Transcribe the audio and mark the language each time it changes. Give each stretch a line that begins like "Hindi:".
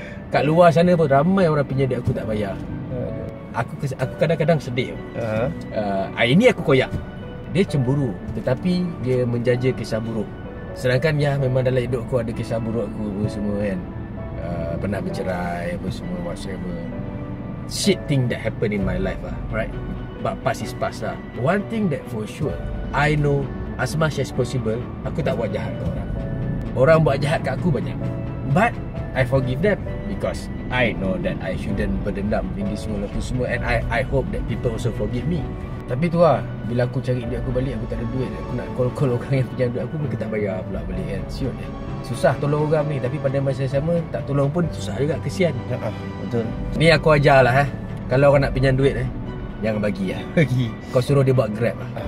Malay: Kat luar sana pun ramai orang pinjam duit aku tak bayar. Aku kadang-kadang sedih. Ini aku koyak. Dia cemburu, tetapi dia menjaja kisah buruk. Sedangkan ya, memang dalam hidup aku ada kisah buruk aku apa semua kan. Pernah bercerai apa semua, whatever.
English: Shit thing that happen in my life lah, right? But past is past lah. One thing that for sure I know, as much as possible,
Malay: aku tak buat jahat ke orang. Orang buat jahat kat aku banyak,
English: but I forgive them. Because I know that I shouldn't berdendam in this world
Malay: apa semua.
English: And I hope that people also forgive me.
Malay: Tapi tu lah, bila aku cari duit aku balik, aku tak ada duit. Aku nak call orang yang pinjam duit aku, mereka tak bayar pula balik kan. Siut kan. Susah tolong orang ni. Tapi pada masa yang sama, tak tolong pun susah juga. Kesian. Betul. Ni aku ajar lah. Kalau orang nak pinjam duit, jangan bagi lah. Kau suruh dia buat Grab lah.